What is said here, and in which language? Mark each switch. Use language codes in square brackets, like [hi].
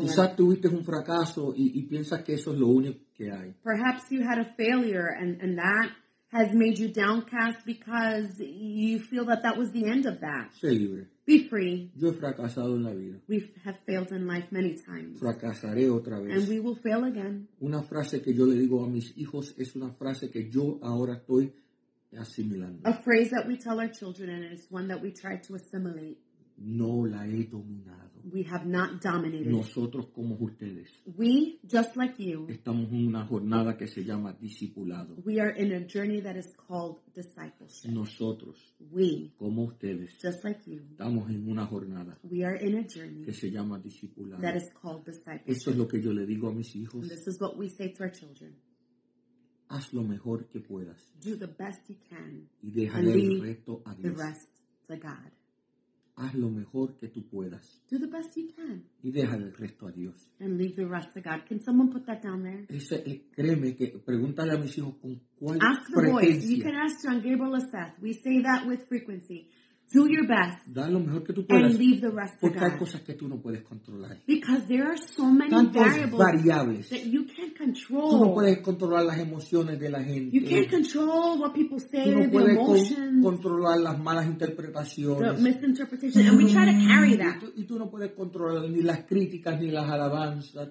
[es] Quizás like, tuviste un fracaso y piensas que eso es lo único que hay. [en] Perhaps you had a failure and that has made you downcast because you feel that was the end of that. [es] Sé libre. [en] Be free. [es] Yo he fracasado en la vida. [en] We have failed in life many times. [es] Fracasaré otra vez. [en] And we will fail again. [es] Una frase que yo le digo a mis hijos es una frase que yo ahora estoy asimilando. [en] A phrase that we tell our children and it's one that we try to assimilate. [es] No la he dominado. [en] We have not dominated. [es] Nosotros como ustedes. [en] We, just like you. [es] Estamos en una jornada que se llama discipulado. [en] We are in a journey that is called discipleship. [es] Nosotros. [en] We. [es] Como ustedes. [en] Just like you. [es] Estamos en una jornada. [en] We are in a journey. [es] Que se llama discipulado. [en] That is called discipleship. [es] Eso es lo que yo le digo a mis hijos. [en] And this is what we say to our children. [es] Haz lo mejor que puedas. [en] Do the best you can. [es] Y dejaré el resto a Dios. [en] The rest to God. [es] Haz lo mejor que tú puedas. [en] Do the best you can. [es] Y deja el resto a Dios. [en] And leave the rest to God. Can someone put that down there? [es] Créeme que pregúntale a mis hijos con cuál [en] ask the [es] pretencia. [en] Voice. You can ask John Gabriel or Seth. We say that with frequency. Do your best. [es] Da lo mejor que tú puedas. [en] And leave the rest to God. [es] Porque hay cosas que tú no puedes controlar. [en] Because there are so many variables that you can't control. [es] Tú no puedes controlar las emociones de la gente. [en] You can't control what people say, [es] no [en] the emotions. [es] Controlar las malas interpretaciones. [en] The misinterpretation. And we try to carry that. [es] Y tú no puedes controlar ni las críticas ni las alabanzas.